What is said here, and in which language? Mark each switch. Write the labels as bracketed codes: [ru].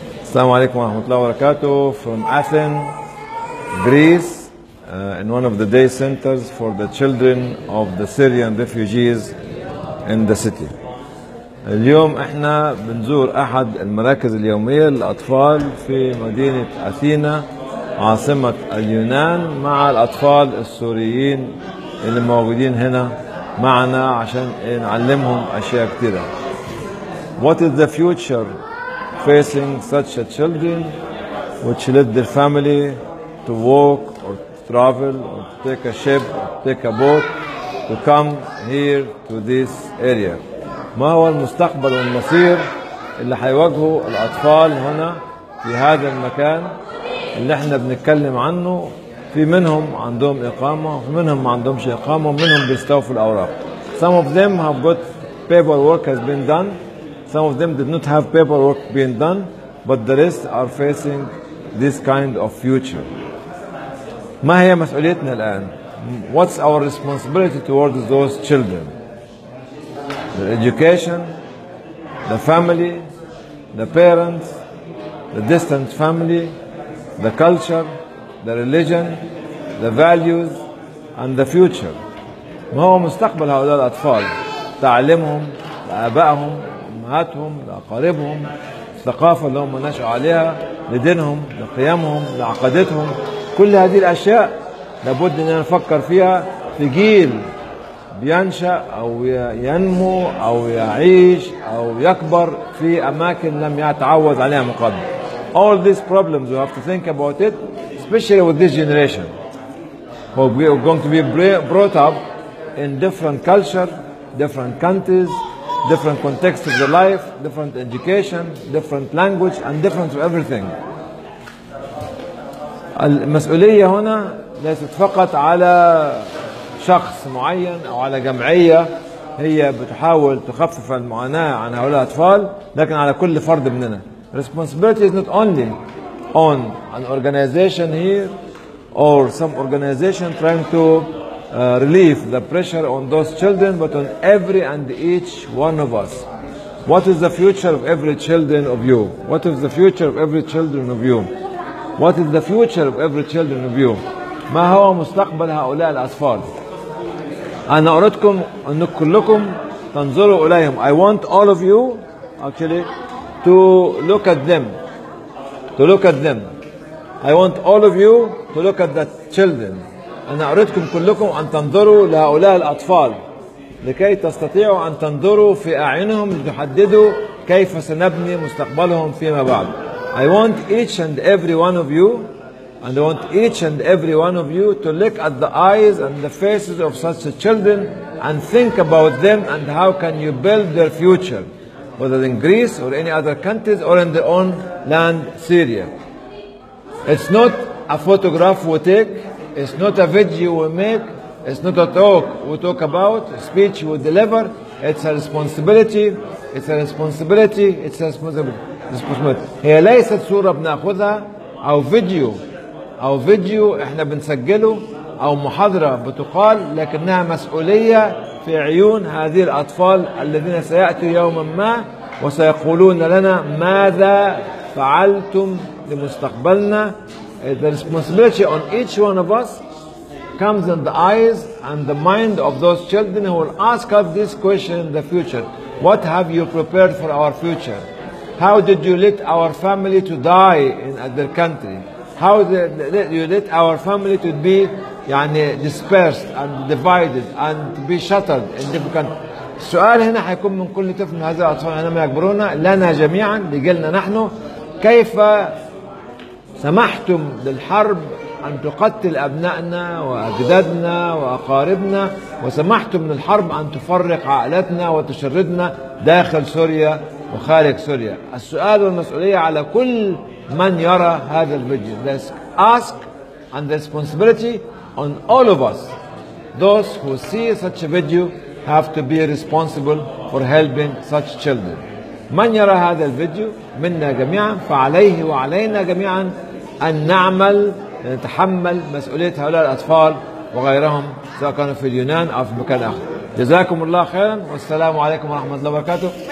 [en] Assalamu alaikum wa rahmatullahi wa barakatuh from Athens, Greece, in one of the day centers for the children of the Syrian refugees in the city. [ar] اليوم احنا بنزور احد المراكز اليومية للأطفال في مدينة أثينا عاصمة اليونان مع الأطفال السوريين اللي موجودين هنا معنا عشان نعلمهم أشياء كتيرة. [en] What is the future facing such a children which led their family to walk or travel or take a ship or take a boat to come here to this area? [ar] ما هو المستقبل والمصير اللي حيواجهوا الأطفال هنا في هذا المكان اللي احنا بنتكلم عنه؟ في منهم عندهم إقامة وفي منهم ما عندهمش إقامة ومنهم بيستوفوا الأوراق. [en] Some of them have got paperwork has been done. Some of them did not have paperwork being done, but the rest are facing this kind of future. [ar] ما هي مسؤوليتنا الآن؟ [en] What's our responsibility towards those children? The education, the family, the parents, the distant family, the culture, the religion, the values, and the future. [ar] ما هو مستقبل هؤلاء الأطفال؟ تعليمهم لآبائهم لأمهاتهم لأقاربهم الثقافة اللي هم نشأوا عليها لدينهم لقيمهم لعقيدتهم كل هذه الأشياء لابد أن نفكر فيها في جيل بينشأ أو ينمو أو يعيش أو يكبر في أماكن لم يتعود عليها من قبل. [en] All these problems we have to think about it especially with this generation who are going to be brought up in different culture, different countries, different contexts of the life, different education, different language, and different everything. [ar] المسؤولية هنا ليست فقط على شخص معين أو على جمعية هي بتحاول تخفف المعاناة عن هؤلاء الأطفال لكن على كل فرد مننا. [en] Responsibility is not only on an organization here or some organization trying to relieve the pressure on those children but on every and each one of us. What is the future of every children of you? What is the future of every children of you? What is the future of every children of you? [ar] ما هو مستقبل هؤلاء الأطفال؟ أنا أردكم أن كلكم تنظروا إليهم. [en] I want all of you actually to look at them. To look at them. I want all of you to look at the children. [ar] أنا أردكم كلكم أن تنظروا لهؤلاء الأطفال لكي تستطيعوا أن تنظروا في أعينهم لتحددوا كيف سنبني مستقبلهم فيما بعد. [en] I want each and every one of you and I want each and every one of you to look at the eyes and the faces of such children and think about them and how can you build their future whether in Greece or any other countries or in their own land, Syria. It's not a photograph we take. It's not a video we make. It's not a talk we talk about, a speech we deliver. It's a responsibility. It's a responsibility. It's a responsibility. [ar] هي ليست صورة بناخذها أو فيديو أو فيديو إحنا بنسجله أو محاضرة بتقال لكنها مسؤولية في عيون هذه الأطفال الذين سيأتوا يوما ما وسيقولون لنا ماذا فعلتم لمستقبلنا. [en] The responsibility on each one of us comes in the eyes and the mind of those children who will ask us this question in the future. What have you prepared for our future? How did you let our family to die in their country? How did you let our family to be يعني dispersed and divided and to be shattered in different countries? [ar] السؤال هنا حيكون من كل طفل من هذه الأطفال عندما يكبرون لنا جميعا لجيلنا نحن كيف سمحتم للحرب أن تقتل أبنائنا وأجدادنا وأقاربنا وسمحتم للحرب أن تفرق عائلتنا وتشردنا داخل سوريا وخارج سوريا. السؤال والمسؤولية على كل من يرى هذا الفيديو. [en] Let's ask and the responsibility on all of us. Those who see such a video have to be responsible for helping such children. [ar] من يرى هذا الفيديو منا جميعا فعليه وعلينا جميعا أن نعمل لنتحمل مسؤولية هؤلاء الأطفال وغيرهم سواء كانوا في اليونان أو في مكان آخر. جزاكم الله خيرا والسلام عليكم ورحمة الله وبركاته.